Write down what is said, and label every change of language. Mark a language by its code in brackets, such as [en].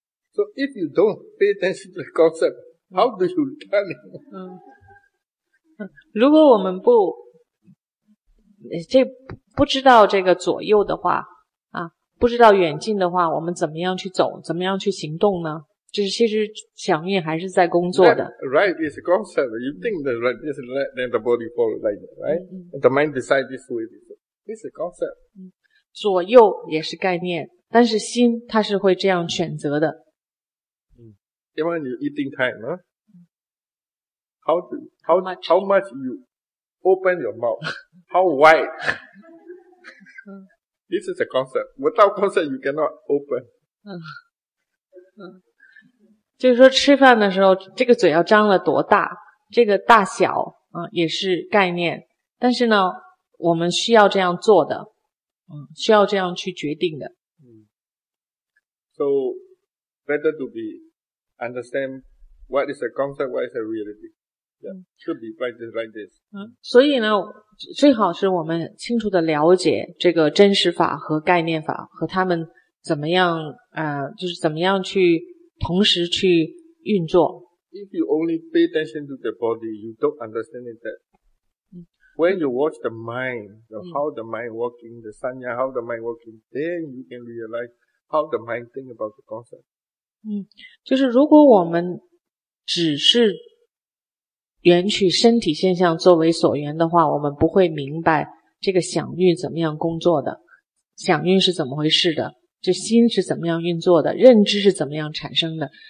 [en] So if you don't pay attention to the concept, how do you turn? [zh] 如果我们不这不知道这个左右的话啊，不知道远近的话，我们怎么样去走，怎么样去行动呢？就是其实想运还是在工作的。 [en] Right is concept. You think the right is left, then the body follows like that, right? The mind decides this way. This is a concept. [zh] 左右也是概念，但是心它是会这样选择的。 [en] Even you eating time, how much you open your mouth, how wide. This is a concept. Without concept, you cannot open. [zh] 就是说吃饭的时候，这个嘴要张了多大，这个大小啊也是概念。但是呢，我们需要这样做的，需要这样去决定的。 [en] So better to be. Understand what is a concept, what is a reality. Yeah, should be like this, like this. [zh] 所以呢，最好是我们清楚的了解这个真实法和概念法和他们怎么样，就是怎么样去同时去运作。 [en] If you only pay attention to the body, you don't understand it that. When you watch the mind, how the mind working, the sanya, how the mind working, then you can realize how the mind think about the concept. [zh] 就是如果我们只是缘取身体现象作为所缘的话，我们不会明白这个想运怎么样工作的，想运是怎么回事的，这心是怎么样运作的，认知是怎么样产生的。